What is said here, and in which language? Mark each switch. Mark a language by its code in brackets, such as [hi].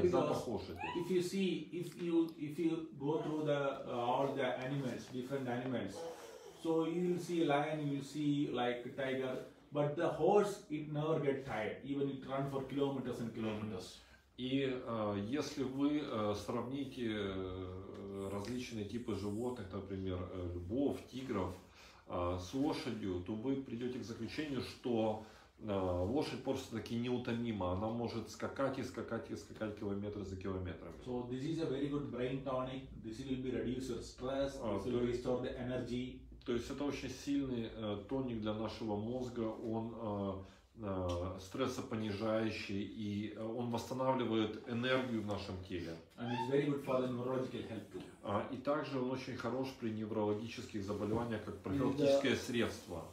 [en] Because if you see, if you go through the all the animals, different animals, so you will see lion, you will see like tiger, but the horse it never get tired, even it run for kilometers and kilometers. [ru] И если вы сравните различные типы животных, например, львов, тигров, с лошадью, то вы придете к заключению, что лошадь просто-таки неутомима, она может скакать и скакать и скакать километры за километрами. [en] So this is a very good brain tonic. This will be reduce your stress, this will restore the energy. [ru] То есть это очень сильный тоник для нашего мозга, он стрессопонижающий и он восстанавливает энергию в нашем теле. [en] And it's very good for the neurological health too. [ru] И также он очень хорош при неврологических заболеваниях как профилактическое средство.